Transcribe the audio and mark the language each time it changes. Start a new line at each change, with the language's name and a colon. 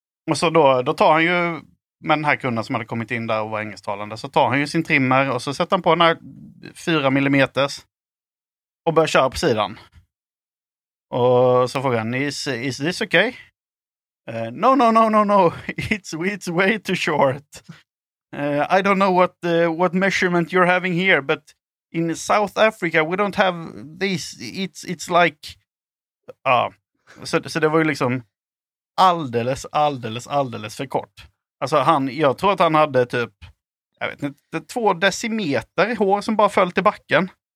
Swedish: Och så då tar han ju med den här kunden som hade kommit in där och var engelsktalande, så tar han ju sin trimmer och så sätter han på den här 4 mm och börjar köra på sidan. Och så frågar han,
English: is this okay? No, it's way too short. I don't know what measurement you're having here, but in South Africa we don't have this, it's like,
Swedish: så det var ju liksom alldeles för kort. Alltså jag tror att han hade typ, jag vet inte, 2 decimeter hår som bara föll till backen.